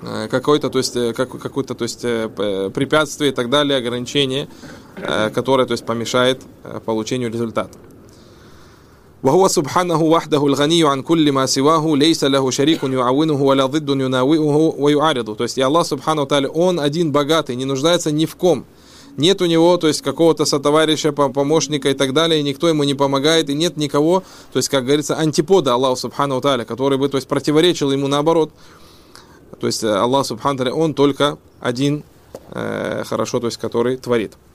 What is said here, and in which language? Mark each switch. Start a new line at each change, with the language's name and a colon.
Russian: Какое-то, то есть, какое-то то есть, препятствие и так далее, ограничение, которое то есть, помешает получению результата.
Arabic: وهو سبحانه وحده الغني عن كل ما سواه ليس له شريك يعاونه ولا ضد يناوئه ويعارضه.
Russian: То есть и Аллах Субхану Тааля, он один богатый, не нуждается ни в ком. Нет у него, то есть какого-то сотоварища, помощника и так далее, и никто ему не помогает, и нет никого, то есть как говорится, антипода Аллаху Субхану Тааля, который бы, то есть противоречил ему наоборот. То есть Аллах Субхану Тааля, он только один хорошо, то есть который творит.